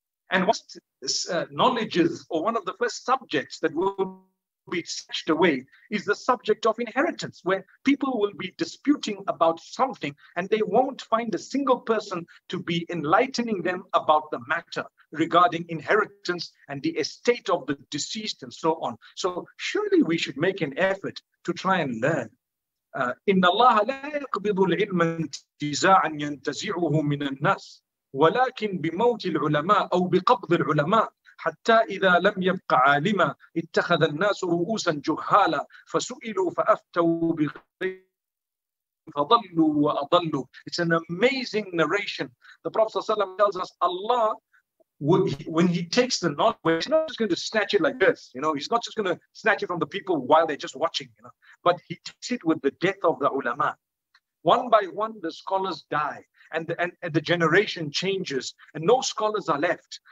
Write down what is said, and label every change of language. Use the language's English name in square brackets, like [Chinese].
[English] And one of the knowledges, or one of the first subjects that will be snatched away, is the subject of inheritance, where people will be disputing about something and they won't find a single person to be enlightening them about the matter regarding inheritance and the estate of the deceased and so on. So surely we should make an effort to try and learn. [Arabic] إن الله لا يقبض العلم انتزاعا ينتزعه من الناس ولكن بموت العلماء أو بقبض العلماء حتى إذا لم يبق عالما اتخذ الناس رؤوسا جهالا فسئلوا فأفتوا بغير فضلوا وأضلوا. [English] It's an amazing narration. The Prophet [Arabic] صلى الله عليه وسلم [English] tells us Allah, when he takes the knowledge, he's not just going to snatch it like this, you know. He's not just going to snatch it from the people while they're just watching, you know. But he takes it with the death of the ulama. One by one, the scholars die, and the generation changes, and no scholars are left.